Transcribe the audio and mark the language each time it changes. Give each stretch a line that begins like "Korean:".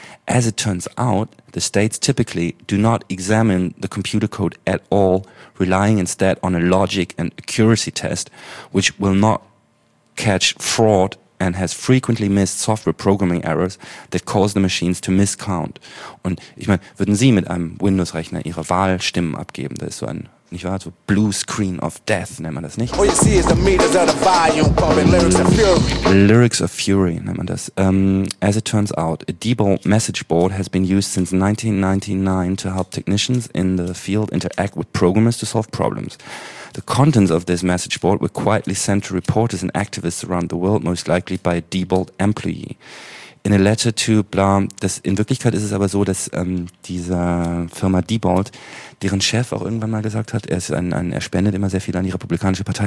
English: As it turns out, the states typically do not examine the computer code at all, relying instead on a logic and accuracy test, which will not catch fraud and has frequently missed software programming errors that cause the machines to miscount.
German: Und ich meine, würden Sie mit einem Windows-Rechner Ihre Wahlstimmen abgeben? Das ist so ein, nicht wahr, so Blue Screen of Death, nennt man das nicht?
English: All you see is the meters of the volume pumping lyrics of fury. Lyrics of fury,
German: nennt man das.
English: As it turns out, a Diebold message board has been used since 1999 to help technicians in the field interact with programmers to solve problems. The contents of this message board were quietly sent to reporters and activists around the world, most likely by a Diebold employee. In a letter to blah,
German: das, in Wirklichkeit ist es aber so, dass diese Firma Diebold, deren Chef auch irgendwann mal gesagt hat, er ist er spendet immer sehr viel an die republikanische Partei.